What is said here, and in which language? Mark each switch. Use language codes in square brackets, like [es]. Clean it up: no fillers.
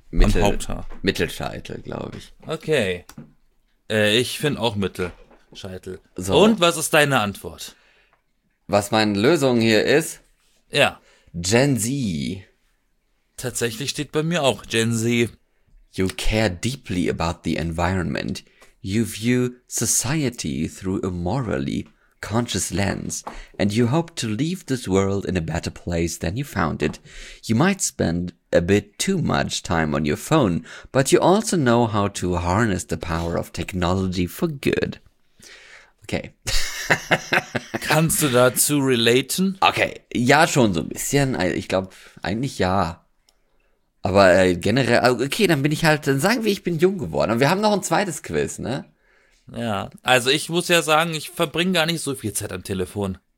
[de] Haupthaar. Mittelscheitel, glaube ich. Okay. Ich finde auch Mittelscheitel. So. Und was ist deine Antwort? Was meine Lösung hier ist? Ja. Gen Z. Tatsächlich steht bei mir auch Gen Z. [en] You care deeply about the environment. You view society through a morally conscious lens, and you hope to leave this world in a better place than you found it. You might spend a bit too much time on your phone, but you also know how to harness the power of technology for good. [de] Okay. Kannst du dazu relaten? Okay, ja, schon so ein bisschen. Ich glaube, eigentlich ja. Aber generell, okay, dann bin ich halt, dann sagen wir, ich bin jung geworden. Und wir haben noch ein zweites Quiz, ne? Ja, also ich muss ja sagen, ich verbringe gar nicht so viel Zeit am Telefon.